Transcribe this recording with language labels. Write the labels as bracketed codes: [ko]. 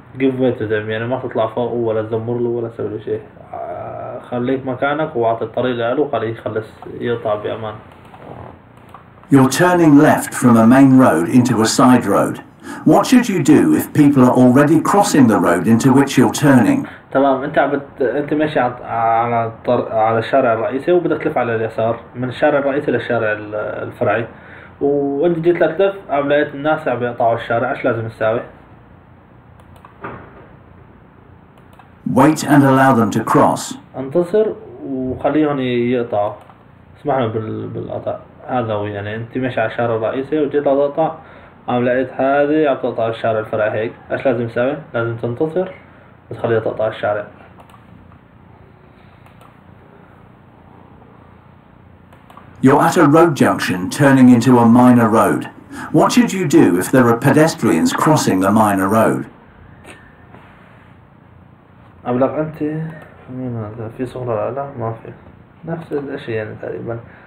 [en] Give way to them [ar] يعني ما تطلع فوق ولا تزمر له ولا تسوي له شيء. خليك مكانك واعطي الطريق له وخليه يخلص يقطع بأمان. [en] You're turning left from a main road into a side road. What should you do if people are already crossing the road into which you're turning? [ar] تمام، انت ماشي على الشارع الرئيسي وبدك تلف على اليسار من الشارع الرئيسي للشارع الفرعي. وانت جيت لتلف عم لقيت الناس عم يقطعوا الشارع، ايش لازم تساوي؟ [en] Wait and allow them to cross. [ar] انتظر وخليهم يقطعوا. اسمح لهم بالقطع. هذا هو يعني انت ماشي على الشارع الرئيسي وجيت تقطع عم لقيت هذه عم تقطع الشارع الفرعي هيك، ايش لازم تسوي؟ لازم تنتظر وتخليها تقطع الشارع. [en] You're at a road junction turning into a minor road. What should you do if there are pedestrians crossing the minor road? [ar] أبلغ أنت مين هذا؟ في صورة لا ما في نفس الأشي يعني تقريبا.